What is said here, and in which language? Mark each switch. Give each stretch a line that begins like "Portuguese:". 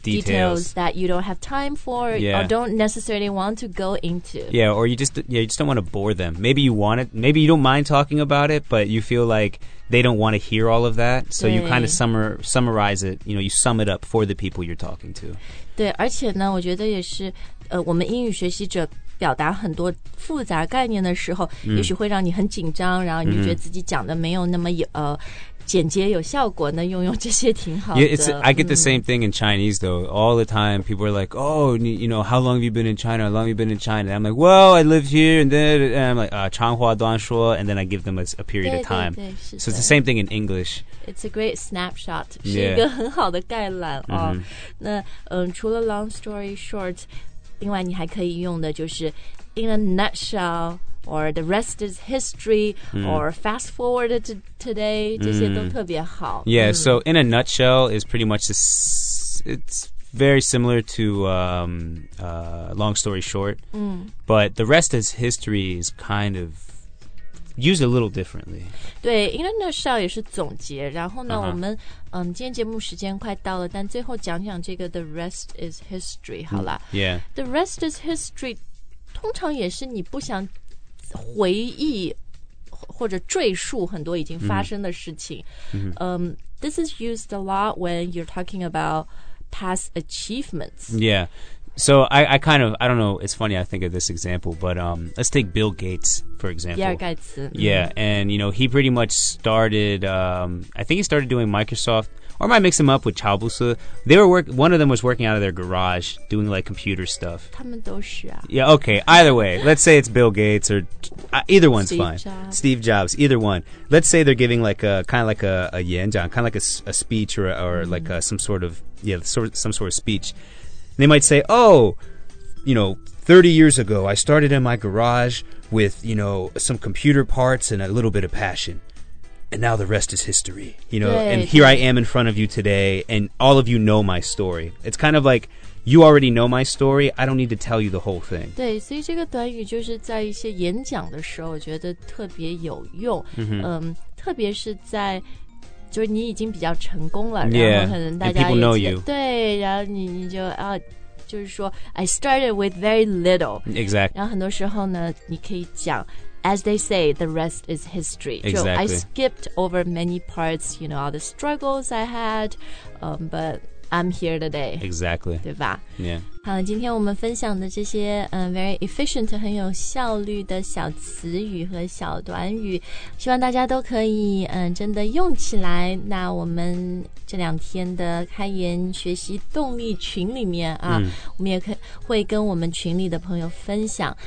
English: details that you don't have time for、 yeah. or don't necessarily want to go into. Yeah, or you just don't want to bore them. Maybe you want it, maybe you don't mind talking about it, but you feel likethey don't want to hear all of that, so you kind of summarize it, you know, you sum it up for the people you're talking to.
Chinese: 对，而且呢，我觉得也是，我们英语学习者表达很多复杂概念的时候，也许会让你很紧张，然后你就觉得自己讲的没有那么简洁有效果，那用用这些挺好的。
English: Yeah, I get the same thing in Chinese, though. All the time, people are like, oh, you know, how long have you been in China? How long have you been in China? And I'm like, well, I live here, and then and I'm like,
Chinese: 长话短说,
English: and then I give them a period
Chinese: 对,
English: of time.
Chinese: 对, 对, 是的。
English: So it's the same thing in English. It's a great snapshot.
Chinese: 是一个很好的概览。
English: Yeah. 哦 mm-hmm.
Chinese: 那除了
English: long story short,
Chinese: 另外你还可以用的就是
English: in a nutshell,or the rest is history,、mm. or fast forward to today,
Chinese: 这些都特别好。
English: Yeah,、mm. so in a nutshell is pretty much, it's very similar to long story short,、 mm. but the rest is history is kind of used a little differently.
Chinese: 对 in a nutshell 也是总结然后呢、uh-huh. 我们、今天节目时间快到了但最后讲讲这个 the rest is history, 好啦、
English: mm. Yeah.
Chinese: The rest is history, 通常也是你不想回忆或者赘述很多已经发生的事情、 mm-hmm.
English: This is used a lot when you're talking about past achievements. Yeah, so I kind of, I don't know, it's funny I think of this example, but let's take Bill Gates, for example.
Chinese: 比尔盖茨
English: Yeah, and you know, he pretty much started, I think he started doing Microsoft, or I might mix him up with 乔布斯 They were one of them was working out of their garage, doing like computer stuff.
Chinese: 他们都是啊。
English: Yeah, okay, either way, let's say it's Bill Gates, or either one's Steve fine. Jobs. Steve Jobs, either one. Let's say they're giving like a, kind of like a 演讲, kind of like a speech or mm-hmm. like a, some sort of, yeah, some sort of speech. And they might say, oh, you know, 30 years ago, I started in my garage with, you know, some computer parts and a little bit of passion. And now the rest is history, you know, and here I am in front of you today, and all of you know my story. It's kind of like, you already know my story, I don't need to tell you the whole thing.
Chinese: 对，所以这个短语就是在一些演讲的时候，我觉得特别有用，特别是在，就是你已经比较成功了，然后可能大家
English: people know you.
Chinese: 对，然后你就啊，就是说，
English: I started with very little. Exactly.
Chinese: 然后很多时候呢，你可以讲
English: As they say, the rest is history. Exactly. So I skipped over many parts, you know, all the struggles I had, but I'm here today. Exactly.
Chinese: 对吧
English: Yeah.
Chinese: 好今天我们分享的这些、
English: very efficient,
Chinese: 很有效率的小词语和小短语希望大家都可以、真的用起来。那我们这两天的开言学习动力群里面啊、我们也可会跟我们群里的朋友分享。